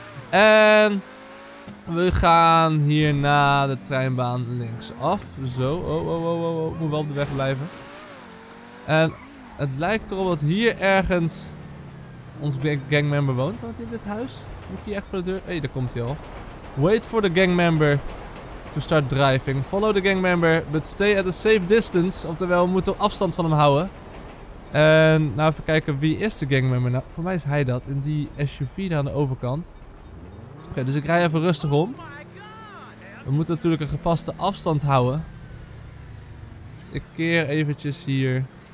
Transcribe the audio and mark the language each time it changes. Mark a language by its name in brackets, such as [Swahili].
[Dutch] En we gaan hier naar de treinbaan linksaf. Zo, oh. Ik moet wel op de weg blijven. En het lijkt erop dat hier ergens ons gangmember woont. Want in dit huis? Moet ik hier echt voor de deur? Hé, daar komt hij al. [English] Wait for the gangmember to start driving. Follow the gangmember, but stay at a safe distance. [Dutch] Oftewel, we moeten afstand van hem houden. En nou even kijken, wie is de gangmember? Nou, voor mij is hij dat. In die SUV daar aan de overkant. Oké, dus ik rij even rustig om. We moeten natuurlijk een gepaste afstand houden. Dus ik keer eventjes hier.